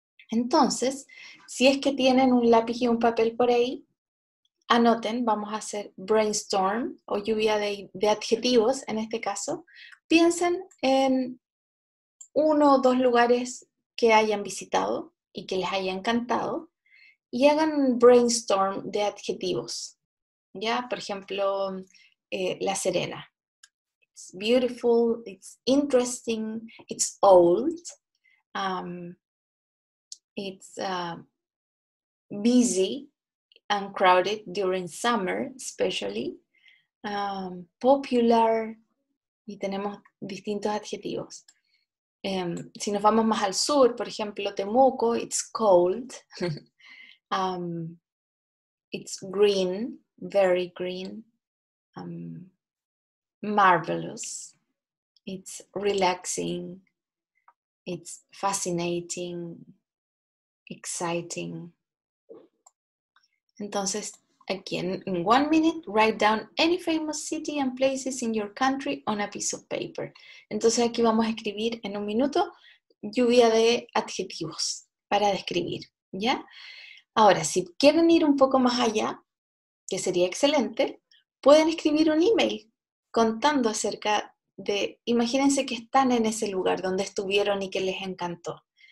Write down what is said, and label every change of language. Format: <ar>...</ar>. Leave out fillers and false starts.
<es>Entonces, si es que tienen un lápiz y un papel por ahí, anoten, vamos a hacer brainstorm o lluvia de adjetivos en este caso. Piensen en uno o dos lugares que hayan visitado y que les haya encantado y hagan un brainstorm de adjetivos. ¿Ya? Por ejemplo, La Serena.</es> <en>It's beautiful, it's interesting, it's old, it's busy and crowded during summer, especially, popular,</en> <es>y tenemos distintos adjetivos. Si nos vamos más al sur, por ejemplo,</es> <en>Temuco, it's cold, it's green, very green, marvelous, it's relaxing, it's fascinating, exciting.</en> <es>Entonces,</es> <en>again, in 1 minute, write down any famous city and places in your country on a piece of paper.</en> <es>Entonces aquí vamos a escribir en un minuto lluvia de adjetivos para describir, ¿ya? Ahora, si quieren ir un poco más allá, que sería excelente, pueden escribir un email contando acerca de, imagínense que están en ese lugar donde estuvieron y que les encantó.</es>